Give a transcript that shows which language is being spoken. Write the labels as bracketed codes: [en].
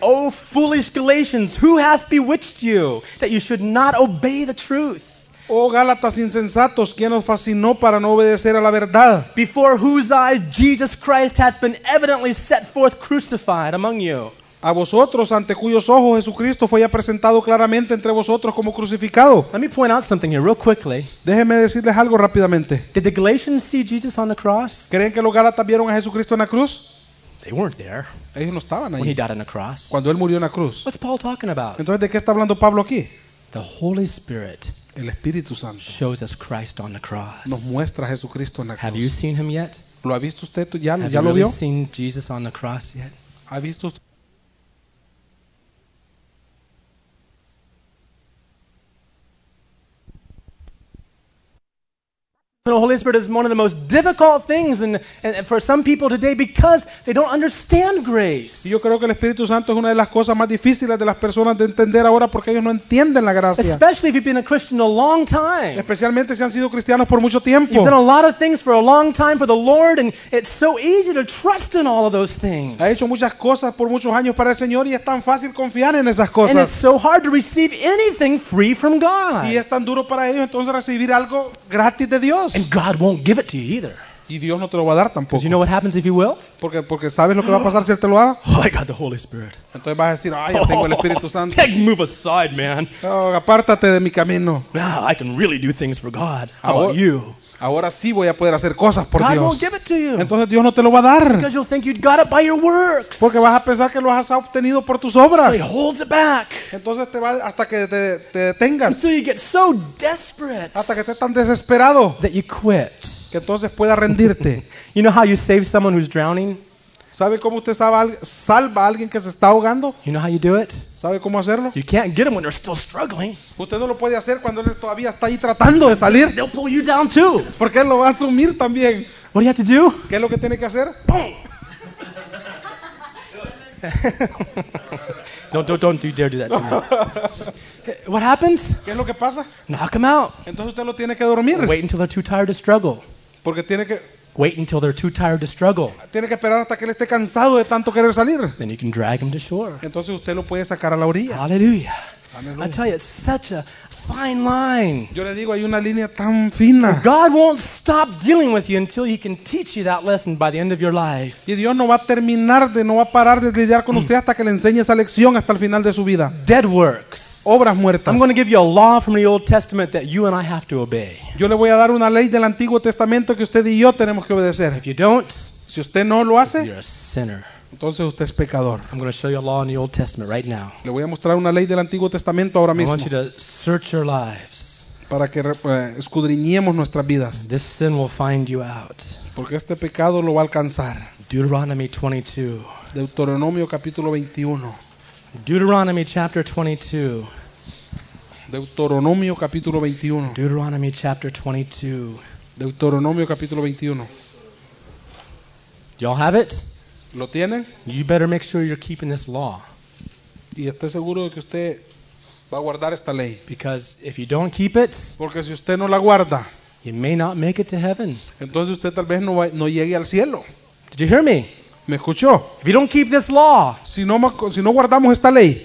[en] Oh foolish Galatians, who hath bewitched you that you should not obey the truth? [es] Oh Gálatas insensatos, ¿quién os fascinó para no obedecer a la verdad? [en] Before whose eyes Jesus Christ hath been evidently set forth crucified among you. [es] A vosotros ante cuyos ojos Jesucristo fue ya presentado claramente entre vosotros como crucificado. [en] Let me point out something here real quickly. [es] Déjeme decirles algo rápidamente. [en] Did the Galatians see Jesus on the cross? [es] ¿Creen que los Gálatas vieron a Jesucristo en la cruz? [en] They weren't there. [es] Ellos no estaban ahí. [en] When he died on the cross. [es] Cuando él murió en la cruz. [en] What's Paul talking about? [es] Entonces, ¿de qué está hablando Pablo aquí? [en] The Holy Spirit. [es] El Espíritu Santo [en] shows us Christ on the cross. [es] Nos muestra a Jesucristo en la cruz. [en] Have you seen him yet? [es] ¿Lo ha visto usted ya? [en] Have [es] ¿ya [en] you [es] lo [en] really [es] vio? [en] Seen Jesus on the cross yet? [es] ¿Ha visto? [en] The Holy Spirit is one of the most difficult things and for some people today because they don't understand grace. [es] Yo creo que el Espíritu Santo es una de las cosas más difíciles de las personas de entender ahora porque ellos no entienden la gracia. [en] Especially if you've been a Christian a long time. [es] Especialmente si han sido cristianos por mucho tiempo. [en] You've done a lot of things for a long time for the Lord and it's so easy to trust in all of those things. [es] Ha hecho muchas cosas por muchos años para el Señor y es tan fácil confiar en esas cosas. [en] And it's so hard to receive anything free from God. [es] Y es tan duro para ellos entonces recibir algo gratis de Dios. [en] And God won't give it to you either. [es] Y Dios no te lo va a dar tampoco. [en] Because you know what happens if you will? [es] Porque sabes lo que va a pasar si él te lo da. [en] Oh, I got the Holy Spirit. [es] Entonces vas a decir, ay, yo tengo el Espíritu Santo. [en] Heck, move aside, man. [es] Oh, apártate de mi camino. [en] Now I can really do things for God. How about you? [es] Ahora sí voy a poder hacer cosas por [en] God [es] Dios. [en] God won't give it to you. [es] Entonces Dios no te lo va a dar. [en] Because you'll think you'd got it by your works. [es] Porque vas a pensar que lo has obtenido por tus obras. [en] So he holds it back. [es] Entonces te va hasta que te detengas. [en] Until you get so desperate. [es] Hasta que estés tan desesperado. [en] That you quit. [es] Que entonces pueda rendirte. [en] You know how you save someone who's drowning? [es] ¿Sabe cómo usted salva a alguien que se está ahogando? [en] You know how you do it? [es] ¿Sabe cómo hacerlo? [en] You can't get them when they're still struggling. [es] Usted no lo puede hacer cuando él todavía está ahí tratando de salir. [en] They'll pull you down too. [es] Porque él lo va a sumir también. [en] What do you have to do? [es] ¿Qué es lo que tiene que hacer? [en] don't you dare do that to me. What happens? [es] ¿Qué es lo que pasa? [en] Knock them out. [es] Entonces usted lo tiene que dormir. [en] Wait until they're too tired to struggle. [es] Porque tiene que [en] Wait until they're too tired to struggle. [es] Tiene que esperar hasta que él esté cansado de tanto querer salir. [en] Then you can drag him to shore. [es] Entonces usted lo puede sacar a la orilla. [en] Hallelujah. I tell you, it's such a fine line. [es] Yo le digo, hay una línea tan fina. [en] God won't stop dealing with you until he can teach you that lesson by the end of your life. [es] Y Dios no va a terminar de, no va a parar de lidiar con usted hasta que le enseñe esa lección hasta el final de su vida. [en] Dead works. [es] Obras muertas. [en] I'm going to give you a law from the Old Testament that you and I have to obey. [es] Yo le voy a dar una ley del Antiguo Testamento que usted y yo tenemos que obedecer. [en] If you don't, [es] si usted no lo hace, [en] you're a sinner. [es] Entonces usted es pecador. [en] I'm going to show you a law in the Old Testament right now. [es] Le voy a mostrar una ley del Antiguo Testamento ahora mismo. [en] I want you to search your lives. [es] Para que escudriñemos nuestras vidas. [en] This sin will find you out. [es] Porque este pecado lo va a alcanzar. [en] Deuteronomy 22. [es] Deuteronomio capítulo 21. [en] Deuteronomy chapter 22. [es] Deuteronomio capítulo 21. [en] Deuteronomy chapter 22. [es] Deuteronomio capítulo 21. [en] Y'all have it? [es] ¿Lo tienen? [en] You better make sure you're keeping this law. [es] Y esté seguro de que usted va a guardar esta ley. [en] Because if you don't keep it, [es] porque si usted no la guarda, [en] you may not make it to heaven. [es] Entonces usted tal vez no llegue al cielo. [en] Did you hear me? [es] ¿Me escuchó? [en] If you don't keep this law, [es] si no guardamos esta ley,